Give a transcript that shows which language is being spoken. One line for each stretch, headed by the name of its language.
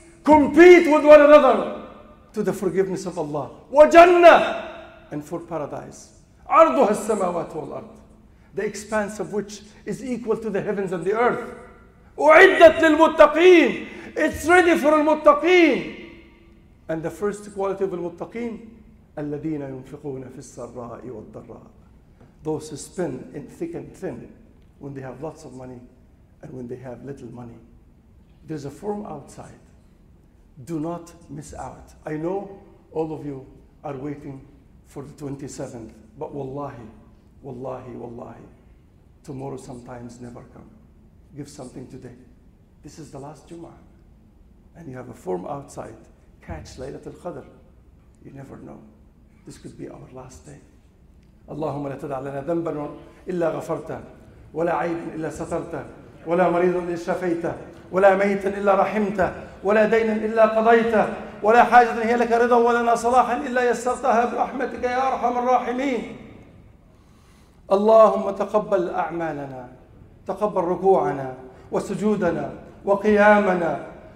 English: Compete with one another to the forgiveness of Allah.
Arabic: وَجَنَّةٍ.
English: And for paradise.
Arabic: عَرْضُهَا السَّمَاوَاتُ وَالْأَرْضِ.
English: The expanse of which is equal to the heavens and the earth.
Arabic: أُعِدَّتْ لِلْمُتَّقِينَ.
English: It's ready for المتقين. And the first quality of
Arabic: المتقين, الَّذِينَ يُنْفِقُونَ فِي السَّرَّاءِ وَالضَّرَّاءِ.
English: Those who spin in thick and thin, when they have lots of money and when they have little money. There's a form outside. Do not miss out. I know all of you are waiting for the 27th, but wallahi, wallahi, wallahi, tomorrow sometimes never come. Give something today. This is the last Jummah. And you have a form outside. Catch Laylatul Qadr. You never know. This could be our last day.
Arabic: Allahumma la tada'a lana dhanban illa ghafarta. ولا عيب إلا سترته ولا مريض إلا شفيته ولا ميتا إلا رحمته ولا دينا إلا قضيته ولا حاجة هي لك رضا ولنا صلاحا إلا يسرتها برحمتك يا أرحم الراحمين. اللهم تقبل أعمالنا, تقبل ركوعنا وسجودنا وقيامنا.